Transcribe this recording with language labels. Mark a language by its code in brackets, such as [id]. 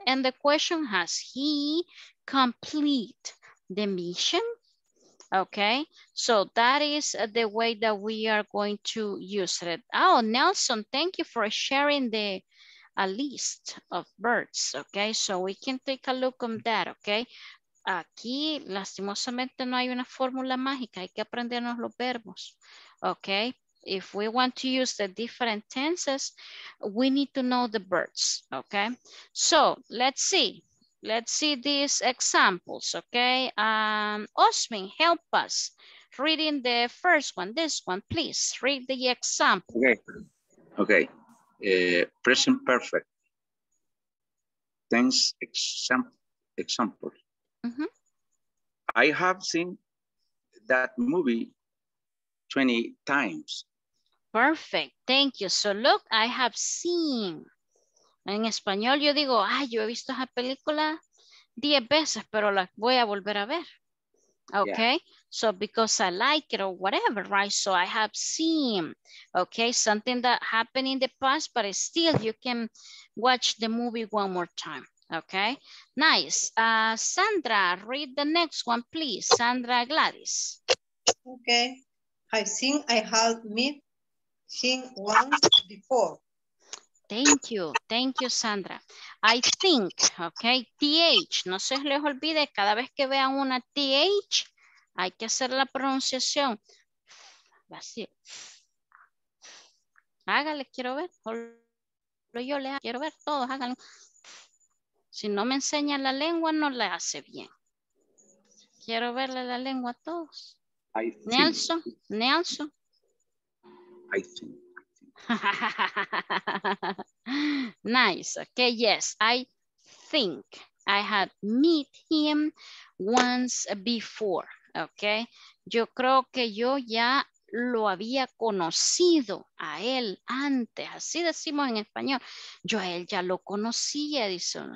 [en] And the question, has he completed the mission? Okay, so that is the way that we are going to use it. Oh, Nelson, thank you for sharing a list of birds. Okay, so we can take a look on that. [es] Okay, aquí lastimosamente no hay una fórmula mágica. Hay que aprendernos los verbos. Okay. [en] If we want to use the different tenses, we need to know the birds, okay? So let's see these examples, okay? Osmin, help us reading the first one. This one, please read the example. Okay. Present perfect tense example. Mm-hmm. I have seen that movie 20 times. Perfect, thank you. So look, I have seen. [es] En español yo digo, ay, yo he visto esa película 10 veces, pero la voy a volver a ver. [en] Okay. Yeah. So because I like it or whatever, right? So I have seen, okay, something that happened in the past, but still you can watch the movie one more time. Okay. Nice. Sandra, read the next one, please. Sandra Gladys. Okay. I think I have met him once before. Thank you. Thank you, Sandra. I think, okay, TH. [es] No se les olvide, cada vez que vean una TH, hay que hacer la pronunciación. Así. Hágale, quiero ver. Yo le quiero ver, todos háganlo. Si no me enseña la lengua, no la hace bien. Quiero verle la lengua a todos. Nelson, Nelson. [en] I think. Nice. Okay, yes, I think I had met him once before. [es] Okay, yo creo que yo ya lo había conocido a él antes, así decimos en español. Yo a él ya lo conocía, dice uno.